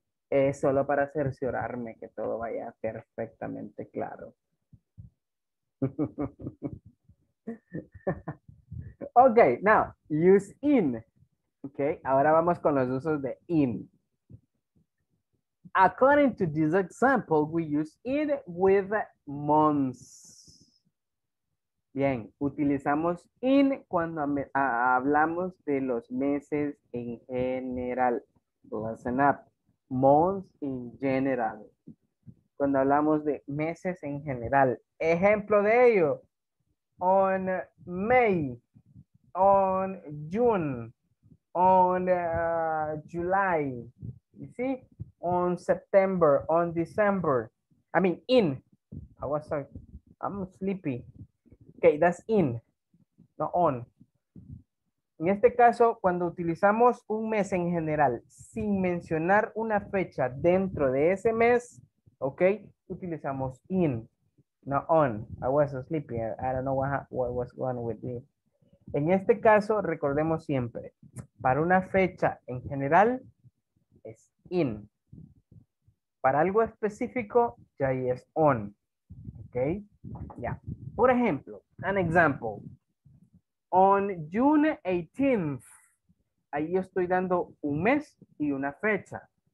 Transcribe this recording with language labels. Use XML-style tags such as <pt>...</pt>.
<es>Es solo para cerciorarme que todo vaya perfectamente claro. Ok,</es> <en>now, use in.</en> <es>Ok, ahora vamos con los usos de in.</es> <en>According to this example, we use in with months.</en> <es>Bien, utilizamos in cuando hablamos de los meses en general.</es> <en>Listen up. Months in general.</en> <es>Cuando hablamos de meses en general. Ejemplo de ello.</es> <en>On May. On June. On July. You see? On September. On December. I mean, in. I'm sleepy.</en> <es>Okay, that's in, not on. En este caso, cuando utilizamos un mes en general sin mencionar una fecha dentro de ese mes, okay, utilizamos in, not on.</es> <en>I was asleep. I don't know what was going with you.</en> <es>En este caso, recordemos siempre, para una fecha en general, es in. Para algo específico, ya ahí es on. Okay, yeah. Por ejemplo,</es> <en>an example.</en> <es>On June 18th, ahí estoy dando un mes y una fecha.</es>